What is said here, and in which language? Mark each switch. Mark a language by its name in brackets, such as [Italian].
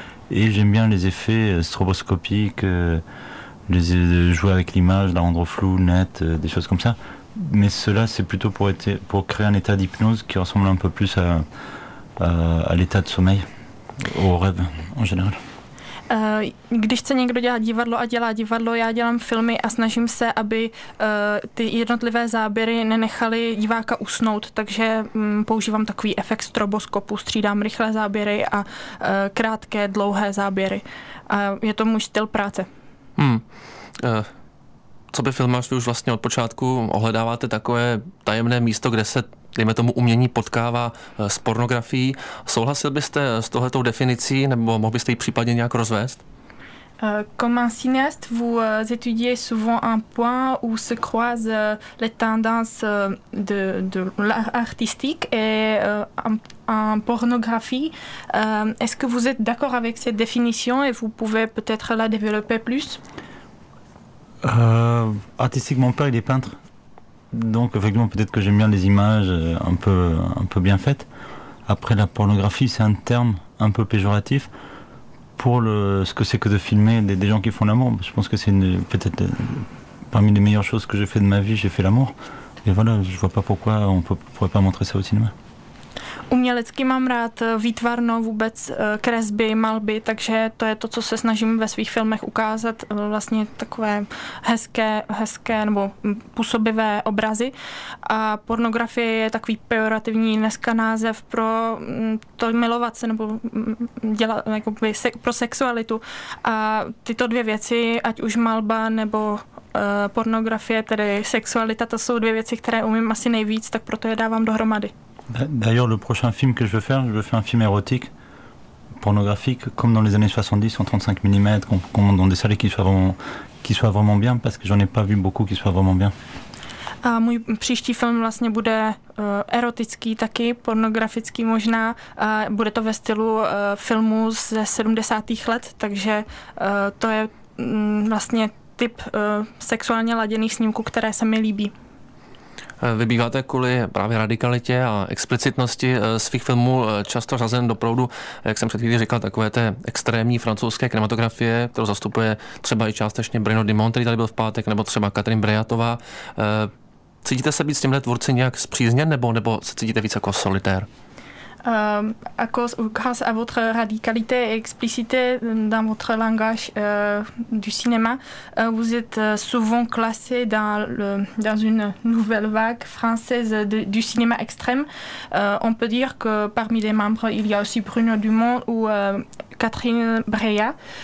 [French] Et j'aime bien les effets stroboscopiques, jouer avec l'image, la rendre floue, nette, des choses comme ça. Mais cela, c'est plutôt pour créer un état d'hypnose qui ressemble un peu plus à l'état de sommeil, au rêve en général. [Czech] Když chce někdo dělat divadlo a dělá divadlo, já dělám filmy a snažím se, aby ty jednotlivé záběry nenechaly diváka usnout, takže používám takový efekt stroboskopu, střídám rychlé záběry a krátké, dlouhé záběry. Je to můj styl práce. Co by filmář, vy už vlastně od počátku ohledáváte takové tajemné místo, kde se, dejme tomu, umění potkává s pornografií. Souhlasil byste s tohletou definicí, nebo mohl byste ji případně nějak rozvést? [French] Comme un cinéaste, vous étudiez souvent un point où se croisent les tendances de l'art artistique et en pornographie. Est-ce que vous êtes d'accord avec cette définition et vous pouvez peut-être la développer plus? Artistique, mon père, il est peintre. Donc, effectivement, peut-être que j'aime bien les images un peu bien faites. Après, la pornographie, c'est un terme un peu péjoratif pour ce que c'est que de filmer des gens qui font l'amour. Je pense que c'est peut-être parmi les meilleures choses que j'ai fait de ma vie, j'ai fait l'amour. Et voilà, je vois pas pourquoi on pourrait pas montrer ça au cinéma. [Czech] Umělecky mám rád výtvarno, vůbec kresby, malby, takže to je to, co se snažím ve svých filmech ukázat, vlastně takové hezké nebo působivé obrazy. A pornografie je takový pejorativní dneska název pro to milovat se nebo dělat jakoby pro sexualitu. A tyto dvě věci, ať už malba nebo pornografie, tedy sexualita, to jsou dvě věci, které umím asi nejvíc, tak proto je dávám dohromady. [French] D'ailleurs, le prochain film que je veux faire un film érotique, pornographique, comme dans les années 70, en 35 mm, qu'on dans des salles qui soient vraiment bien, parce que j'en ai pas vu beaucoup qui soient vraiment bien. [Czech] A můj příští film vlastně bude erotický taky, pornografický možná, a bude to ve stylu filmu ze 70. let, takže to je vlastně typ sexuálně laděných snímků, které se mi líbí. Vy býváte kvůli právě radikalitě a explicitnosti svých filmů často řazen do proudu, jak jsem před chvíli říkal, takové té extrémní francouzské kinematografie, kterou zastupuje třeba i částečně Bruno Dumont, který tady byl v pátek, nebo třeba Catherine Breillatová. Cítíte se být s těmhle tvůrci nějak zpřízněn, nebo se cítíte víc jako solitér? [French] à cause ou grâce à votre radicalité et explicité dans votre langage du cinéma, vous êtes souvent classé dans, dans une nouvelle vague française du cinéma extrême. On peut dire que parmi les membres, il y a aussi Bruno Dumont ou Catherine Breillat.